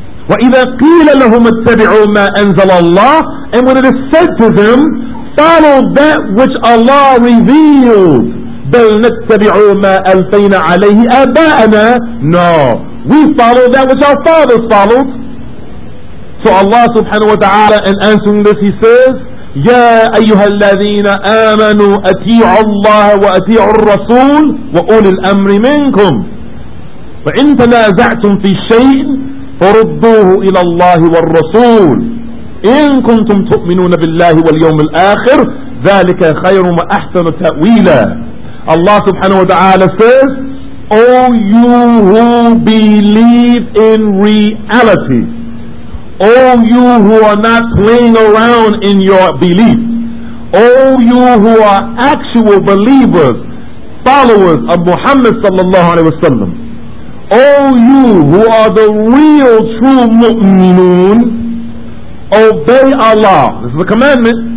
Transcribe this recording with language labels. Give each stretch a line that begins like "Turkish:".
Arabic: وَإِذَا قِيلَ لَهُمَ اتَّبِعُوا مَا أَنزَلَ اللَّهُ.
English: And when it is said to them, follow that which Allah revealed.
Arabic: بَلْ نَتَّبِعُوا مَا أَلْفَيْنَ عَلَيْهِ أَبَاءَنَا.
English: No, we follow that which our fathers followed. So Allah subhanahu wa ta'ala, in answering this, he says,
Arabic: يا أيها الذين آمنوا أطيعوا الله وأطيعوا الرسول وأولي الأمر منكم فإن تنازعتم في شيء فردوه إلى الله والرسول إن كنتم تؤمنون بالله واليوم الآخر ذلك خير وأحسن تأويلا.
English: Allah subhanahu wa ta'ala says, O you who believe in reality, O you who are not playing around in your belief, O you who are actual believers, followers of Muhammad sallallahu alayhi wa sallam, O you who are the real true mu'minun, obey Allah. This is a commandment.